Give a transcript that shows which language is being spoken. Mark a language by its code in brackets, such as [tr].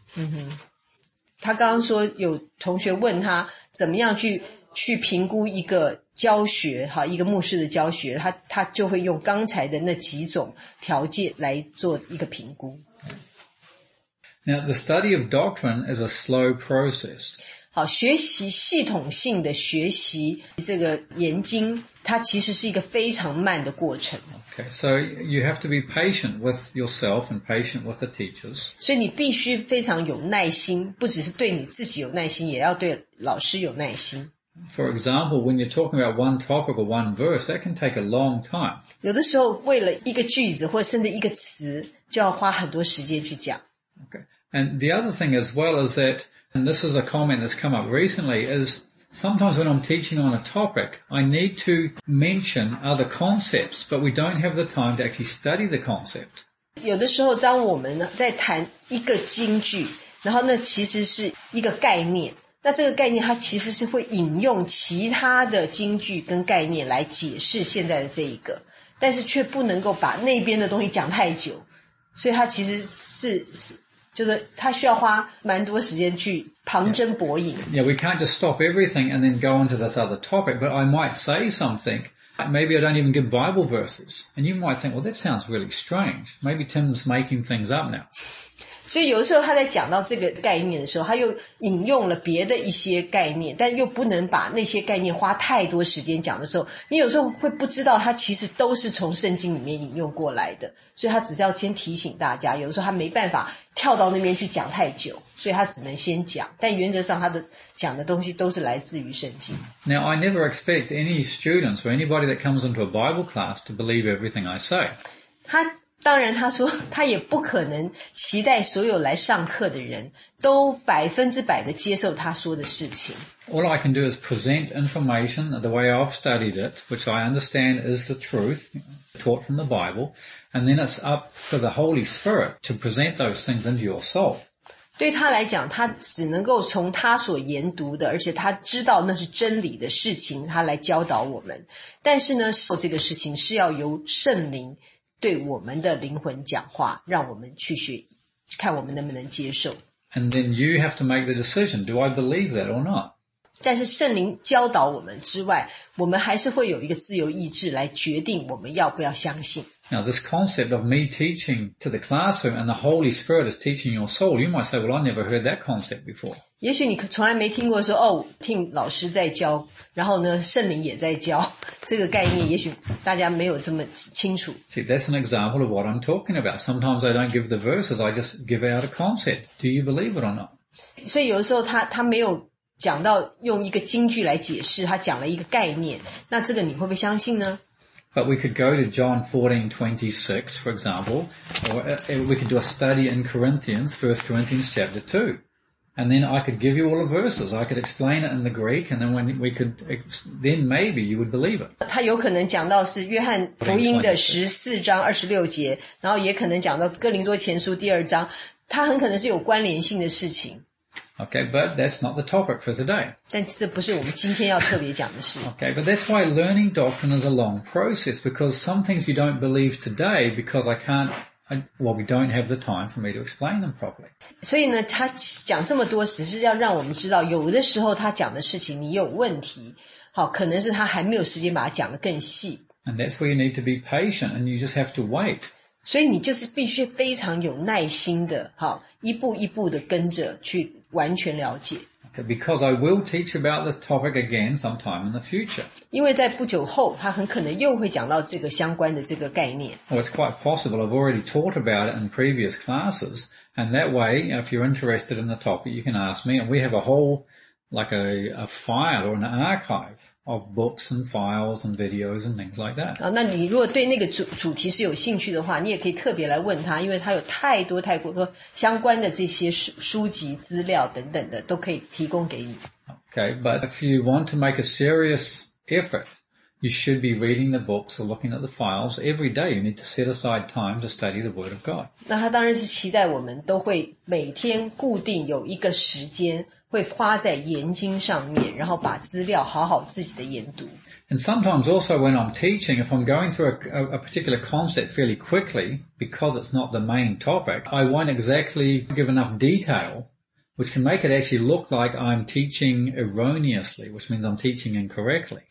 [zh] Mm-hmm. 他刚刚说有同学问他怎么样去评估一个教学哈一个牧师的教学他就会用刚才的那几种条件来做一个评估。 [en] Now, the study of doctrine is a slow process. [zh] 好学习系统性的学习这个研经它其实是一个非常慢的过程。 [en] Okay, so you have to be patient with yourself and patient with the teachers. [zh] 所以你必须非常有耐心不只是对你自己有耐心也要对老师有耐心。 [en] For example, when you're talking about one topic or one verse, that can take a long time. [zh] 有的时候为了一个句子或甚至一个词就要花很多时间去讲。 [en] Okay. And the other thing as well is that, and this is a comment that's come up recently, is sometimes when I'm teaching on a topic, I need to mention other concepts, but we don't have the time to actually study the concept. [zh] 有的时候当我们在谈一个经句然后那其实是一个概念那这个概念它其实是会引用其他的经句跟概念来解释现在的这一个但是却不能够把那边的东西讲太久所以它其实是就是它需要花蛮多时间去旁征博引 [en] yeah. yeah, we can't just stop everything and then go on to this other topic but I might say something maybe I don't even give Bible verses and you might think, well that sounds really strange maybe Tim's making things up now [zh] 所以有的时候他在讲到这个概念的时候他又引用了别的一些概念但又不能把那些概念花太多时间讲的时候你有时候会不知道他其实都是从圣经里面引用过来的所以他只是要先提醒大家有的时候他没办法跳到那边去讲太久所以他只能先讲但原则上他的讲的东西都是来自于圣经 [en] Now I never expect any students or anybody that comes into a Bible class to believe everything I say [zh] 他当然他说他也不可能期待所有来上课的人都百分之百的接受他说的事情。 [en] All I can do is present information the way I've studied it, which I understand is the truth. taught from the Bible, and then it's up for the Holy Spirit to present those things into your soul. [zh] 对他来讲，他只能够从他所研读的，而且他知道那是真理的事情，他来教导我们。但是呢，做这个事情是要由圣灵对我们的灵魂讲话，让我们去学，看我们能不能接受。 [en] And then you have to make the decision, do I believe that or not? [zh] 但是圣灵教导我们之外，我们还是会有一个自由意志来决定我们要不要相信。 [en] Now this concept of me teaching to the classroom and the Holy Spirit is teaching your soul, you might say, well, I never heard that concept before. [zh] 也许你从来没听过说，哦，听老师在教，然后呢，圣灵也在教，这个概念也许大家没有这么清楚。 [en] See, that's an example of what I'm talking about. Sometimes I don't give the verses, I just give out a concept. Do you believe it or not? [zh] 所以有的时候他没有讲到用一个金句来解释，他讲了一个概念，那这个你会不会相信呢？ [en] But we could go to John 14:26, for example, or we could do a study in Corinthians, 1 Corinthians chapter 2. And then I could give you all the verses. I could explain it in the Greek, and then when we could, then maybe you would believe it. [zh] 他有可能讲到是约翰福音的14:26，然后也可能讲到哥林多前书2，他很可能是有关联性的事情。 [en] Okay, but that's not the topic for today. [zh] 但这不是我们今天要特别讲的事。 [en] Okay, but that's why learning doctrine is a long process, because some things you don't believe today because we don't have the time for me to explain them properly. [zh] 所以呢，他讲这么多，只是要让我们知道，有的时候他讲的事情你有问题，好，可能是他还没有时间把它讲得更细。 [en] And that's where you need to be patient, and you just have to wait. [zh] 所以你就是必须非常有耐心的，好，一步一步的跟着去完全了解。 [en] Okay, because I will teach about this topic again sometime in the future. [zh] 因为在不久后，他很可能又会讲到这个相关的这个概念。 [en] Well, it's quite possible I've already taught about it in previous classes, and that way, if you're interested in the topic, you can ask me, and we have a whole, like a file or an archive. Of books and files and videos and things like that. [zh] 那你如果对那个主题是有兴趣的话，你也可以特别来问他，因为他有太多太多相关的这些书籍资料等等的都可以提供给你。 [en] Okay, but if you want to make a serious effort, you should be reading the books or looking at the files every day. You need to set aside time to study the Word of God. [zh] 那他当然是期待我们都会每天固定有一个时间。会花在研经上面，然后把资料好好自己的研读。 [en] And sometimes also when I'm teaching, if I'm going through a particular concept fairly quickly, because it's not the main topic, I won't exactly give enough detail, which can make it actually look like I'm teaching erroneously, which means I'm teaching incorrectly.